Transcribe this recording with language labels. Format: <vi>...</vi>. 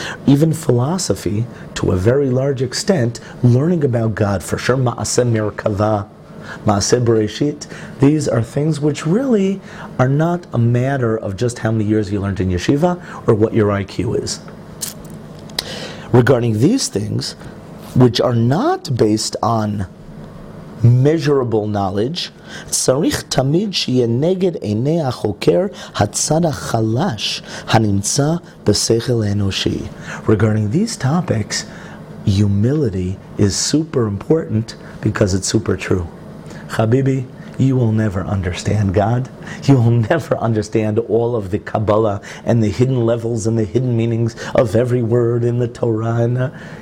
<en>Even philosophy, to a very large extent, learning about God, for sure, Ma'aseh Merkava, Ma'aseh Bereshit, these are things which really are not a matter of just how many years you learned in yeshiva or what your IQ is. Regarding these things, which are not based on measurable knowledge,</en> <he>צריך תמיד שיהיה נגד עיני החוקר הצד החלש הנמצא בשכל האנושי.</he> <en>Regarding these topics, humility is super important because it's super true. Habibi, you will never understand God. You will never understand all of the Kabbalah and the hidden levels and the hidden meanings of every word in the Torah.</en>